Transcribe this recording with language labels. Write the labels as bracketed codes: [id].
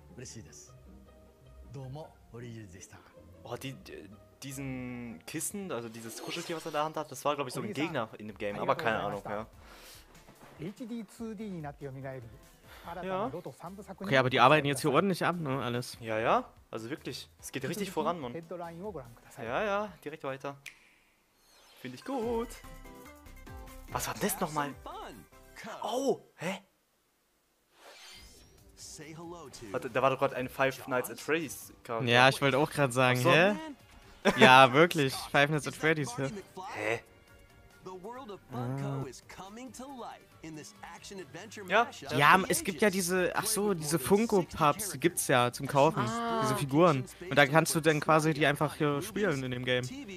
[ja] ETD2で読み上げることが決定しました。時系列としては3が物語の始めるとなっており、3番2の順番でプレイしてもらうと圧倒的な展開が待っています。と3部作となる3と1どちらも是非楽しんでもらえたら嬉しいです。どうもオリジュです。 [de] Oh, diesen Kissen, also dieses Kuscheltier, was er da in der Hand hat, das war glaube ich so ein Gegner in dem Game, aber keine Ahnung, ja. [ja] ETD2Dになって蘇る [de] Ja. Okay, aber die arbeiten jetzt hier ordentlich ab, ne, alles. Ja, also wirklich. Es geht richtig voran, Mann. Ja, direkt weiter. Finde ich gut. Was war denn das nochmal? Oh, hä? Warte, da war doch gerade ein Five Nights at Freddy's. Ja, ich wollte auch gerade sagen, hä? Ja, wirklich. Five Nights at Freddy's, ja. Hä? [en] The world of Funko is coming to life in this action adventure mashup. [de] Ja, es gibt ja diese, diese Funko Pops, die gibt's ja zum Kaufen, diese Figuren. Und da kannst du dann quasi die einfach hier spielen in dem Game.